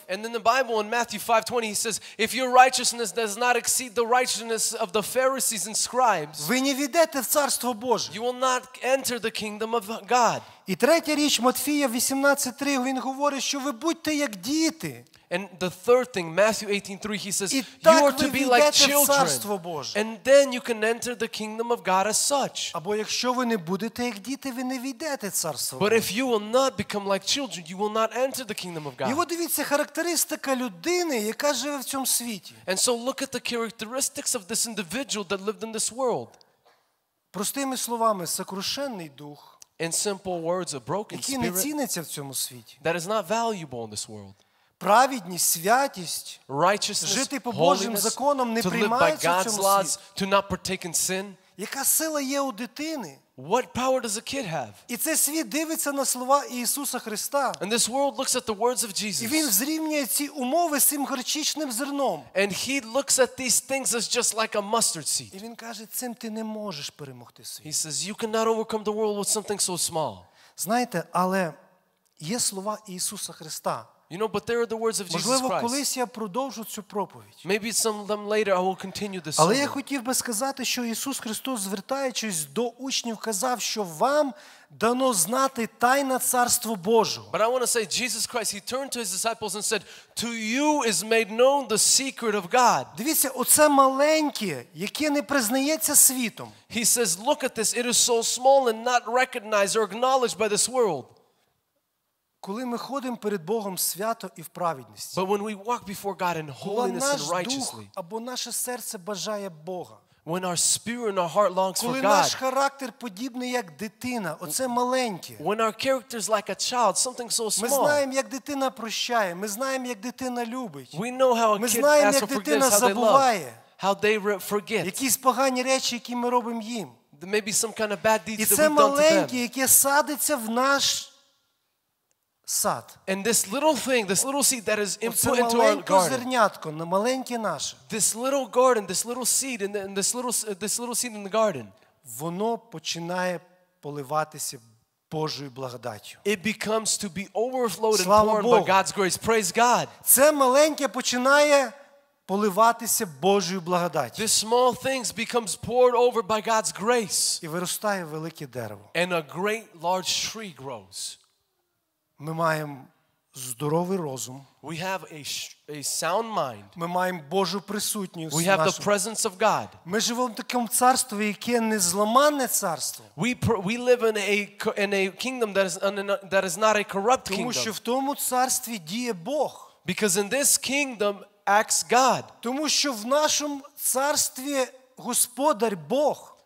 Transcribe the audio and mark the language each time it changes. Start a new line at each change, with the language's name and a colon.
English: And in the Bible, in Matthew 5:20, he says, if your righteousness does not exceed the righteousness of the Pharisees and scribes,
Ukrainian: ви не війдете в Царство Боже.
English: You will not enter the kingdom of God.
Ukrainian: І третя річ, Матфія 18:3, він говорить, що ви будьте як діти.
English: And the third thing, Matthew 18:3, he says, you are to be like children. And then you can enter the kingdom of God as such.
Ukrainian: Або якщо ви не будете як діти, ви не війдете в Царство Боже.
English: But if you will not become like children, you will not enter the kingdom of God.
Ukrainian: І от дивіться, характеристика людини, яка живе в цьому світі.
English: And so look at the characteristics of this individual that lived in this world.
Ukrainian: Простими словами, сокрушенний дух.
English: In simple words, a broken spirit.
Ukrainian: Який не ціниться в цьому світі.
English: That is not valuable in this world.
Ukrainian: Праведність, святість, жити по Божим законам не приймається в цьому світі.
English: To not partake in sin.
Ukrainian: Яка сила є у дитини?
English: What power does a kid have?
Ukrainian: І цей світ дивиться на слова Ісуса Христа.
English: And this world looks at the words of Jesus.
Ukrainian: І він зрівнює ці умови з цим горчичним зерном.
English: And he looks at these things as just like a mustard seed.
Ukrainian: І він каже, цим ти не можеш перемогти світ.
English: He says, you cannot overcome the world with something so small.
Ukrainian: Знаєте, але є слова Ісуса Христа.
English: You know, but there are the words of Jesus Christ.
Ukrainian: Можливо, колись я продовжу цю проповідь.
English: Maybe sometime later I will continue this.
Ukrainian: Але я хотів би сказати, що Ісус Христос, звертаючись до учнів, казав, що вам дано знати тайна царства Божого.
English: But I want to say Jesus Christ, he turned to his disciples and said, "To you is made known the secret of God."
Ukrainian: Дивіться, оце маленьке, яке не признається світом.
English: He says, "Look at this, it is so small and not recognized or acknowledged by this world."
Ukrainian: Коли ми ходимо перед Богом свято і в праведності.
English: But when we walk before God in holiness and righteously.
Ukrainian: Або наше серце бажає Бога.
English: When our spirit and our heart longs for God.
Ukrainian: Коли наш характер подібний як дитина, оце маленьке.
English: When our character is like a child, something so small.
Ukrainian: Ми знаємо, як дитина прощає, ми знаємо, як дитина любить.
English: We know how a kid
Ukrainian: знаємо, як дитина забуває.
English: How they forget.
Ukrainian: Якісь погані речі, які ми робимо їм.
English: Maybe some kind of bad deeds that we've done to them.
Ukrainian: І це маленьке, яке садиться в наш сад.
English: And this little thing, this little seed that is input into our garden.
Ukrainian: Оце зернятко, маленьке наше.
English: This little garden, this little seed in this little seed in the garden.
Ukrainian: Воно починає поливатися Божою благодаттю.
English: It becomes to be overflowed and poured by God's grace. Praise God.
Ukrainian: Це маленьке починає поливатися Божою благодаттю.
English: This small things becomes poured over by God's grace.
Ukrainian: І виростає велике дерево.
English: And a great large tree grows.
Ukrainian: Ми маємо здоровий розум.
English: We have a sound mind.
Ukrainian: Ми маємо Божу присутність в нашому.
English: We have the presence of God.
Ukrainian: Ми живемо в такому царстві, яке незламанне царство.
English: We live in a kingdom that is not a corrupt kingdom.
Ukrainian: Тому що в тому царстві діє Бог.
English: Because in this kingdom acts God.
Ukrainian: Тому що в нашому царстві господар Бог.